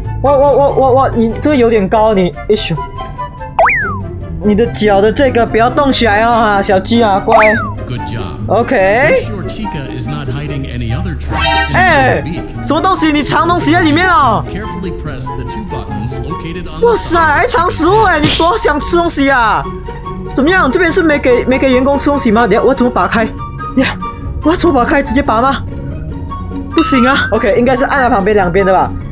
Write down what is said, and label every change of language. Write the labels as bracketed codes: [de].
[zh] 我你这个有点高，你哎咻，你的脚的这个不要动起来啊，小鸡啊，乖。 [en] Good job. OK. Make sure Chica is not hiding any other traps inside the beak. [zh] 什么东西？你藏东西在里面啊？ [en] Carefully press the two buttons located on the side. [zh] 哇塞，还藏食物哎，你多想吃东西啊？怎么样？这边是没给员工吃东西吗？你要我怎么拔开？呀，我要怎么拔开？直接拔吗？不行啊。 OK， 应该是按在旁边两边的吧。